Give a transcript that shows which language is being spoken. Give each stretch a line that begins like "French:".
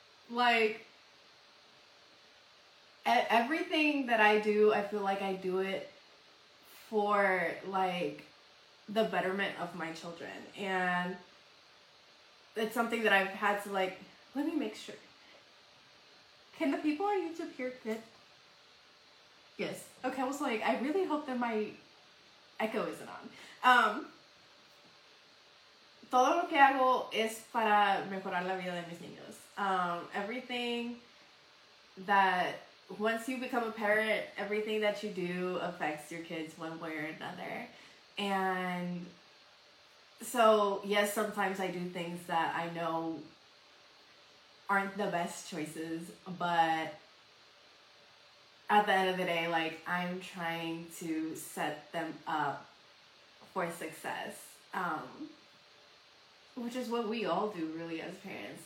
English: Like, at everything that I do, I feel like I do it for, like, the betterment of my children. And it's something that I've had to, like, let me make sure. Can the people on YouTube hear good? Yes. Okay, I was like, I really hope that my echo isn't on.
Spanish: Todo lo que hago es para mejorar la vida de mis niños.
English: Everything that, once you become a parent, everything that you do affects your kids one way or another. And so, yes, sometimes I do things that I know aren't the best choices, but at the end of the day, like, I'm trying to set them up for success, which is what we all do, really, as parents.